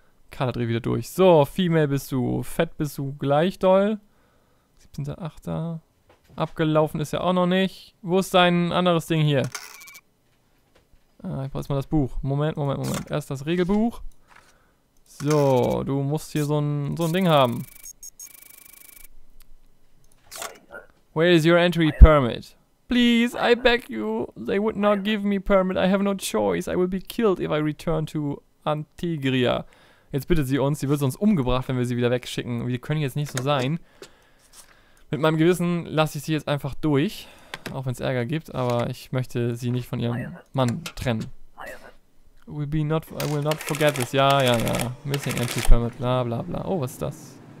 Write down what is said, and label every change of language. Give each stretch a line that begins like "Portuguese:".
German: Kader dreht wieder durch. So, female bist du. Fett bist du gleich doll. 17.8. Abgelaufen ist ja auch noch nicht. Wo ist dein anderes Ding hier? Ich brauche jetzt mal das Buch. Moment. Erst das Regelbuch. So, du musst hier so ein Ding haben.
English: Where is your entry permit? Please, I beg you. They would not give me permit. I have no choice. I will be killed if I return to Antigria.
German: Jetzt bittet sie uns. Sie wird sonst umgebracht, wenn wir sie wieder wegschicken. Wir können jetzt nicht so sein. Mit meinem Gewissen lasse ich sie jetzt einfach durch. Auch wenn es Ärger gibt, aber ich möchte sie nicht von ihrem Mann trennen.
English: I will not forget this.
German: Ja.
English: Missing entry permit, bla bla bla.
German: Oh, was ist das?